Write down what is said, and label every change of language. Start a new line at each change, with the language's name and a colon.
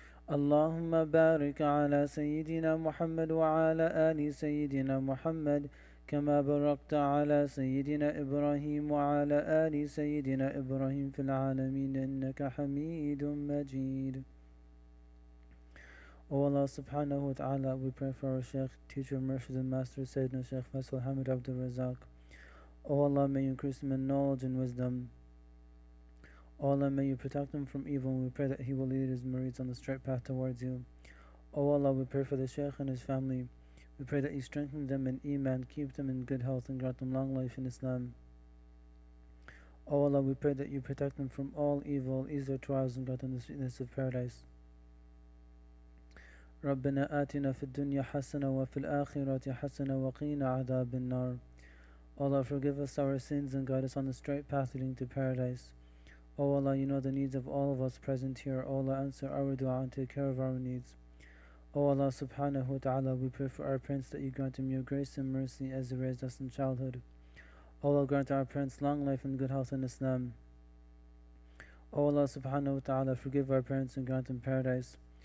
Arabic: اللهم بارك على سيدنا محمد وعلى آل سيدنا محمد كما باركت على سيدنا إبراهيم وعلى آل سيدنا إبراهيم في العالمين إنك حميد مجيد
English: O Allah subhanahu wa ta'ala, we pray for our Shaykh, teacher, Murshid, and master, Sayyidina Shaykh Faisal Hamid Abdul Razak. O Allah, may you increase him in knowledge and wisdom. O Allah, may you protect him from evil, and we pray that he will lead his murids on the straight path towards you. O Allah, we pray for the Shaykh and his family. We pray that you strengthen them in Iman, keep them in good health, and grant them long life in Islam. O Allah, we pray that you protect them from all evil, ease their trials, and grant them the sweetness of paradise.
Arabic: ربنا آتنا في الدنيا حسنة وفي الآخرة حسنة وقينا عذاب النار.
English: Allah, forgive us our sins and guide us on the straight path leading to paradise. O Allah, you know the needs of all of us present here. O Allah, answer our dua and take care of our needs. O Allah, subhanahu wa ta'ala, we pray for our parents that you grant them your grace and mercy as you raised us in childhood. O Allah, grant our parents long life and good health in Islam. O Allah, subhanahu wa ta'ala, forgive our parents and grant them paradise.